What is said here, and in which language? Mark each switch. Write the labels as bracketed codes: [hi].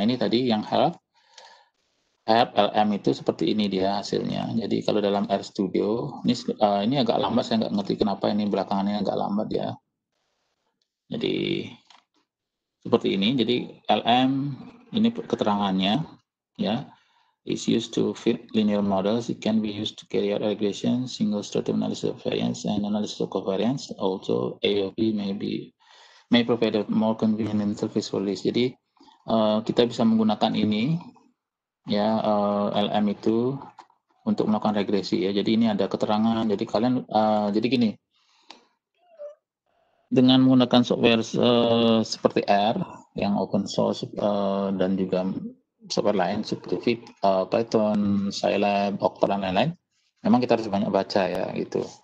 [id] Nah ini tadi yang help, help LM itu seperti ini dia hasilnya. Jadi kalau dalam RStudio, ini agak lambat, saya nggak ngerti kenapa ini belakangannya agak lambat ya. Jadi seperti ini. Jadi LM ini keterangannya, ya. [en] Is used to fit linear models. It can be used to carry out regression, single stratum analysis of variance, and analysis of covariance. Also, AOP may provide a more convenient interface for this. [id] Jadi, kita bisa menggunakan ini, ya, LM itu untuk melakukan regresi. Ya. Jadi ini ada keterangan. Jadi kalian, jadi gini, dengan menggunakan software seperti R yang open source dan juga software lain seperti Python, Scilab, Octa dan lain-lain, memang kita harus banyak baca ya gitu.